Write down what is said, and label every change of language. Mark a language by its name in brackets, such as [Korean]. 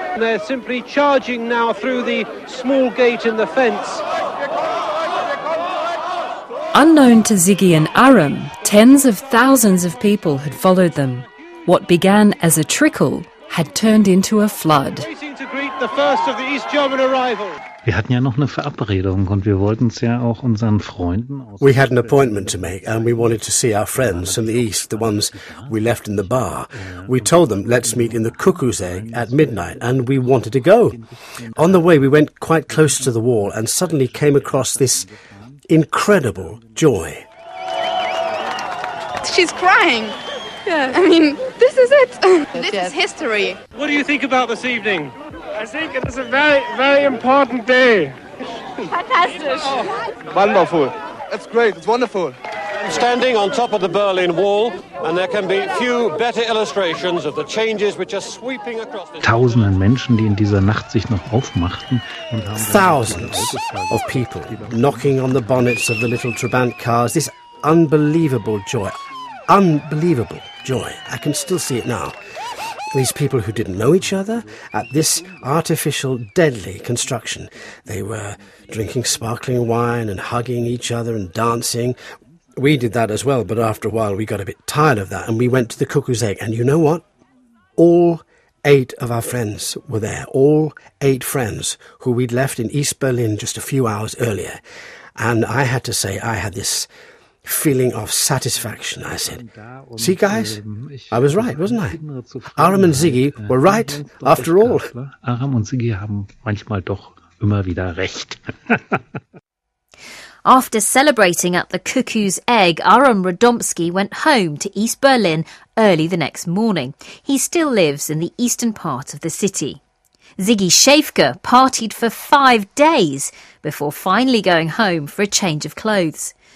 [English] They're simply charging now through the small gate in the fence. Unknown to Ziggy and Aram, tens of thousands of people had followed them. What began as a trickle had turned into a flood. We had [German] ja noch eine Verabredung und wir wollten es ja auch unseren Freunden. [English] We had an appointment to make and we wanted to see our friends from the east, the ones we left in the bar. We told them, "Let's meet in the Cuckoo's Egg at midnight," and we wanted to go. On the way, we went quite close to the wall and suddenly came across this incredible joy. She's crying. Yeah, I mean, this is it. This is history. What do you think about this evening? I think it is a very, very important day. Fantastic. Wonderful. That's great. It's wonderful. Standing on top of the Berlin Wall, and there can be few better illustrations of the changes which are sweeping across the... [German] Tausenden Menschen, die in dieser Nacht sich noch aufmachten. [English] Thousands of people knocking on the bonnets of the little Trabant cars. This unbelievable joy. Unbelievable joy. I can still see it now. These people who didn't know each other at this artificial, deadly construction. They were drinking sparkling wine and hugging each other and dancing. We did that as well, but after a while we got a bit tired of that and we went to the Cuckoo's Egg. And you know what? All eight of our friends were there. All eight friends who we'd left in East Berlin just a few hours earlier. And I had to say, I had this feeling of satisfaction. I said, "See, guys, I was right, wasn't I? Aram and Ziggy were right, after all." [German] Aram und Ziggy haben manchmal doch immer wieder recht. [English] After celebrating at the Cuckoo's Egg, Aram Radomski went home to East Berlin early the next morning. He still lives in the eastern part of the city. Ziggy Schaefker partied for 5 days before finally going home for a change of clothes.